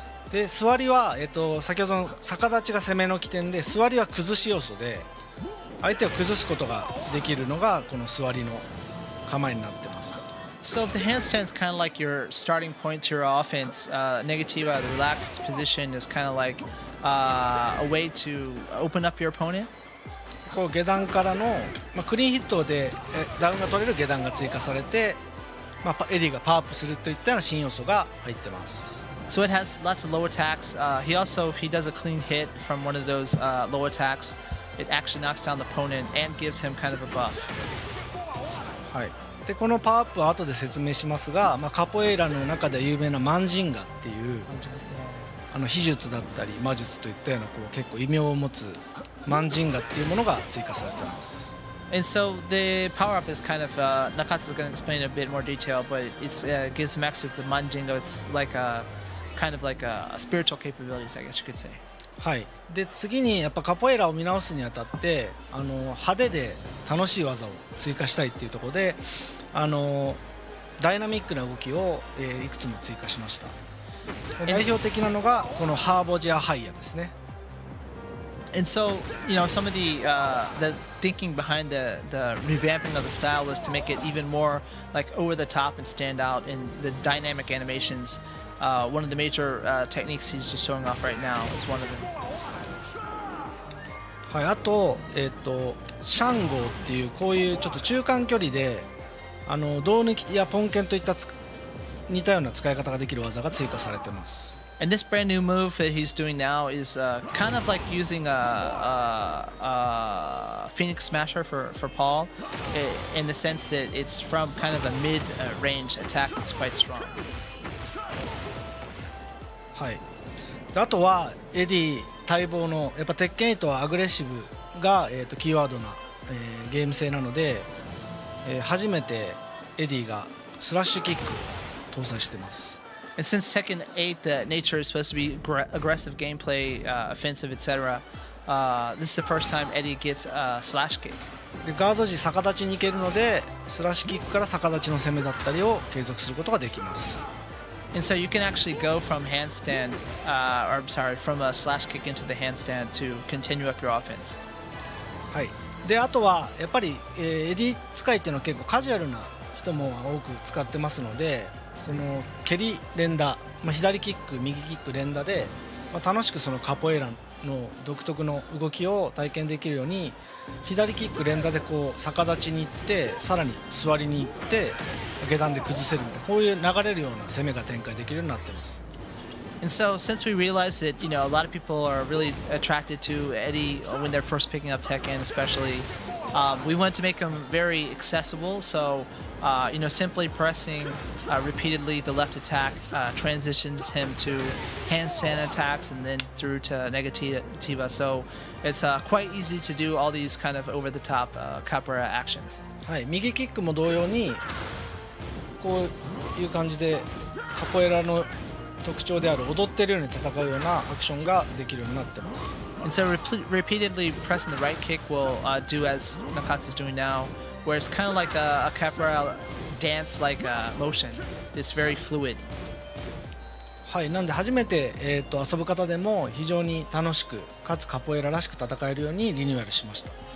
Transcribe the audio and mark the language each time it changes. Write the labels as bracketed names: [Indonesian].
[Japanese] で、座りは先ほどの逆立ちが攻めの起点で、座りは崩し要素で。相手を崩すことができるのがこの座りの構えになってます。 [English] So if the handstand is kind of like your starting point to your offense, negativa, the relaxed position is kind of like a way to open up your opponent. [Japanese] こう下段からの、まあ、クリーンヒットでダウンが取れる下段が追加されて、まあ、エディがパワーアップするといったような新要素が入ってます。 [English] So it has lots of low attacks. He also, if he does a clean hit from one of those low attacks,It actually knocks down the opponent and gives him kind of a buff. [Japanese] はい。で、このパワーアップは後で説明しますが、まあ、カポエイラの中で有名なマンジンガっていう、あの秘術だったり魔術といったようなこう結構異名を持つマンジンガっていうものが追加されています。 [English] And so the power up is kind of Nakatsu is going to explain a bit more detail, but it gives him access to the Manjinga. It's like a kind of like a spiritual capabilities, I guess you could say. [Japanese] はい、で次にやっぱカポエラを見直すにあたって、あの派手で楽しい技を追加したいっていうところで、あのダイナミックな動きを、いくつも追加しました。代表的なのがこのハーボジアハイヤですね。 [English] And so, you know, some of the thinking behind the revamping of the style was to make it even more like over the top and stand out in the dynamic animationsone of the major techniques he's just showing off right now is one of them. [Japanese] はい、あと、シャンゴーっていうこういうちょっと中間距離で、あの胴抜きやポンケンといった似たような使い方ができる技が追加されてます。 [English] And this brand new move that he's doing now is kind of like using a Phoenix Smasher for Paul, in the sense that it's from kind of a mid range attack that's quite strong. [Japanese] はい、であとはエディ待望のやっぱ鉄拳8はアグレッシブが、キーワードな、ゲーム性なので、初めてエディがスラッシュキックを搭載してます。 [English] And since Tekken 8 the nature is supposed to be aggressive gameplay, offensive, etc. This is the first time Eddie gets a slash kick. [Japanese] でガード時逆立ちに行けるので、スラッシュキックから逆立ちの攻めだったりを継続することができます。 [English] And so you can actually go from handstand, or I'm sorry, from a slash kick into the handstand to continue up your offense. [Japanese] はい。で、あとはやっぱり、エディ使いっていうのは結構カジュアルな人も多く使ってますので、その蹴り連打、まあ、左キック、右キック連打で、まあ、楽しくそのカポエラの独特の動きを体験できるように、左キック連打でこう逆立ちに行って、さらに座りに行って、下段で崩せるみたいな、こういう流れるような攻めが展開できるようになってます。 [English] And so, since we realize that, you know, a lot of people are really attracted to Eddie when they're first picking up Tekken, especially, we want to make him very accessible. So, you know, simply pressing repeatedly the left attack transitions him to handstand attacks and then through to negativa. So, it's quite easy to do all these kind of over-the-top capoeira actions. [Japanese] はい、右キックも同様にこういう感じでカポエラの特徴である踊ってるように戦うようなアクションができるようになってます。 [English] And so repeatedly pressing the right kick will do as Nakatsu is doing now, where it's kind of like a capoeira dance like motion. It's very fluid. [Japanese] はい、なんで初めて遊ぶ方でも非常に楽しく、かつカポエラらしく戦えるようにリニューアルしました。